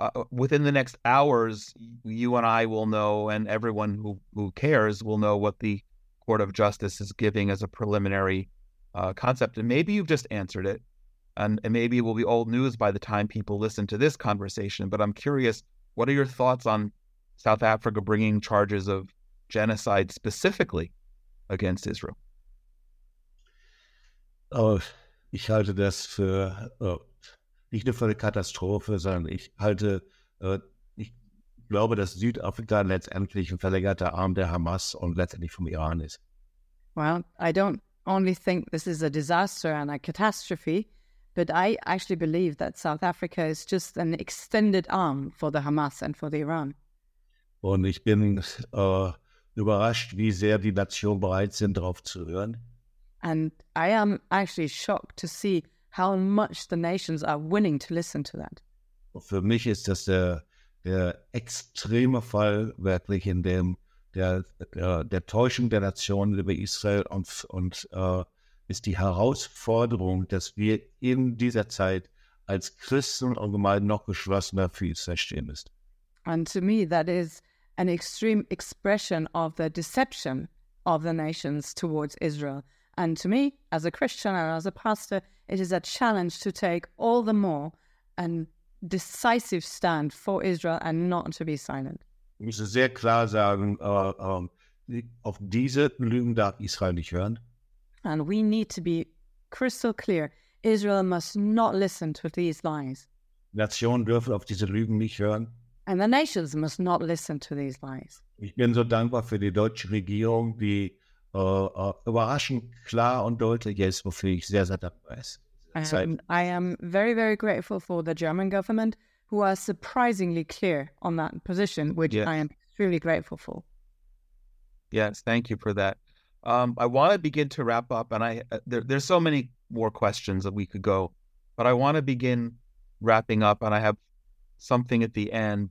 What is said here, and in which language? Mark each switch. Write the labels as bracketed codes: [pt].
[en] Within the next hours, you and I will know, and everyone who cares will know what the Court of Justice is giving as a preliminary concept. And maybe you've just answered it, and maybe it will be old news by the time people listen to this conversation. But I'm curious, what are your thoughts on South Africa bringing charges of genocide specifically against Israel? [de] Oh, ich halte das für nicht nur für eine Katastrophe, sondern ich halte, ich glaube, dass Südafrika letztendlich ein verlängerter Arm der Hamas und letztendlich vom Iran ist. [en] Well, I don't only think this is a disaster and a catastrophe, but I actually believe that South Africa is just an extended arm for the Hamas and for the Iran. [de] Und ich bin überrascht, wie sehr die Nationen bereit sind, darauf zu hören. [en] And I am actually shocked to see how much the nations are willing to listen to that. [de] Für mich ist das der extreme Fall wirklich, in dem der Täuschung der Nationen über Israel und ist die Herausforderung, dass wir in dieser Zeit als Christen und Gemeinde noch geschlossener für Israel stehen müssen. [en] And to me, that is an extreme expression of the deception of the nations towards Israel. And to me, as a Christian and as a pastor, it is a challenge to take all the more a decisive stand for Israel and not to be silent. [de] Ich muss sehr klar sagen, auf diese Lügen darf Israel nicht hören. [en] And we need to be crystal clear. Israel must not listen to these lies. [de] Nationen dürfen auf diese Lügen nicht hören. [en] And the nations must not listen to these lies. [de] Ich bin so dankbar für die deutsche Regierung, die überraschend klar und deutlich ist, wofür ich sehr, sehr dankbar ist. [en] I am very, very grateful for the German government, who are surprisingly clear on that position, which I am extremely grateful for. Yes, thank you for that. I want to begin to wrap up, and there's so many more questions that we could go, but I want to begin wrapping up, and I have something at the end.